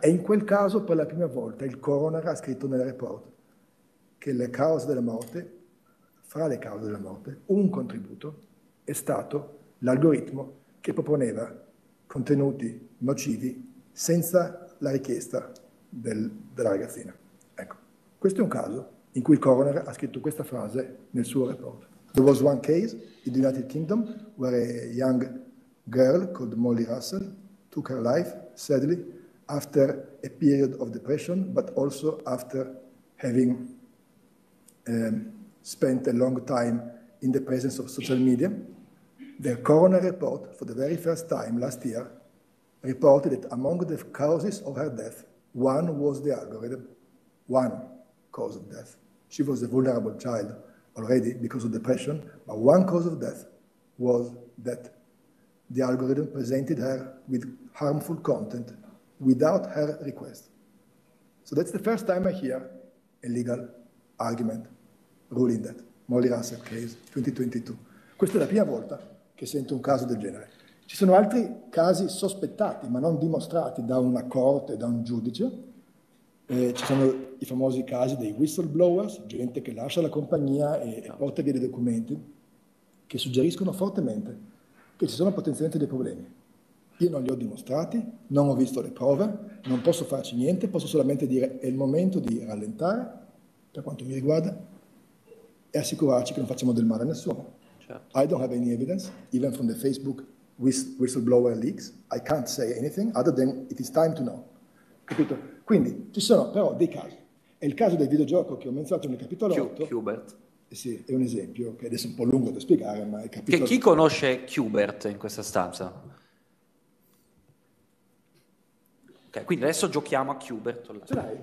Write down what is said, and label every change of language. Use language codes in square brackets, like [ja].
[it] E in quel caso, per la prima volta, il coroner ha scritto nel report che le cause della morte, fra le cause della morte, un contributo è stato l'algoritmo che proponeva contenuti nocivi senza la richiesta della ragazzina. Ecco, questo è un caso in cui il coroner ha scritto questa frase nel suo report. [en] There was one case in the United Kingdom where a young girl called Molly Russell took her life, sadly, after a period of depression, but also after having spent a long time in the presence of social media. The coroner report, for the very first time last year, reported that among the causes of her death, one was the algorithm, one cause of death. She was a vulnerable child already because of depression, but one cause of death was that the algorithm presented her with harmful content without her request. So that's the first time I hear a legal argument ruling that. Molly Russell case, 2022. [it] Questa è la prima volta che sento un caso del genere. Ci sono altri casi sospettati, ma non dimostrati da una corte, da un giudice. Ci sono i famosi casi dei whistleblowers, gente che lascia la compagnia e porta via dei documenti, che suggeriscono fortemente che ci sono potenzialmente dei problemi. Io non li ho dimostrati, non ho visto le prove, non posso farci niente, posso solamente dire è il momento di rallentare, per quanto mi riguarda, e assicurarci che non facciamo del male a nessuno. Certo. [en] I don't have any evidence, even from the Facebook whistleblower leaks, I can't say anything other than it is time to know. [it] Capito? Quindi, ci sono però dei casi. E il caso del videogioco che ho menzionato nel capitolo 8... Qbert. Sì, è un esempio che adesso è un po' lungo da spiegare, ma è capitolo... Che chi conosce Qbert in questa stanza? Ok, quindi adesso giochiamo a Qbert. Ce l'hai?